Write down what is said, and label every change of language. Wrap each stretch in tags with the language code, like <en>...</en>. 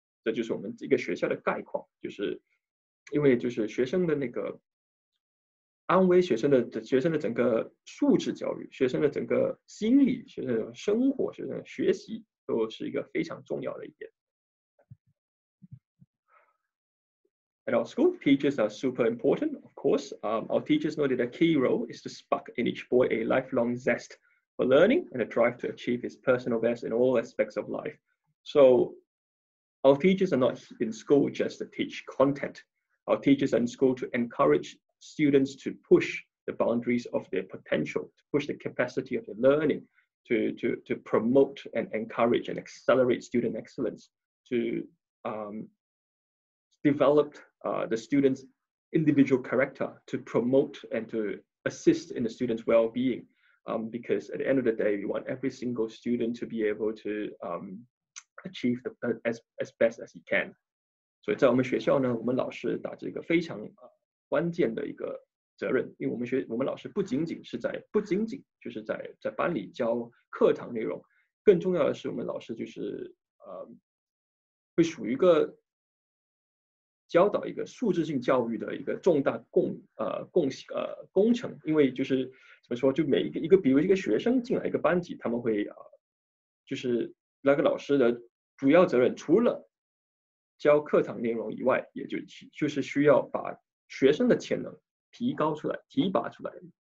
<zh>这就是我们这个学校的概况，就是因为就是学生的那个安危，学生的整个素质教育，学生的整个心理，学生的生活，学生的学习都是一个非常重要的一点。</zh> <en>At our school, teachers are super important, of course. Our teachers know that a key role is to spark in each boy a lifelong zest for learning and a drive to achieve his personal best in all aspects of life. So our teachers are not in school just to teach content. Our teachers are in school to encourage students to push the boundaries of their potential, to push the capacity of their learning, to promote and encourage and accelerate student excellence, to develop the student's individual character, to promote and to assist in the student's well-being, because at the end of the day, we want every single student to be able to achieve the as best as he can.</en> <zh>所以在我们学校呢，我们老师打着一个非常关键的一个责任，因为我们老师不仅仅是在班里教课堂内容，更重要的是我们老师就是会属于一个教导一个素质性教育的一个重大工程，因为就是怎么说，就每一个比如一个学生进来一个班级，他们会就是那个老师的主要责任，除了教课堂内容以外，也就是需要把学生的潜能提高出来，提拔出来，</zh>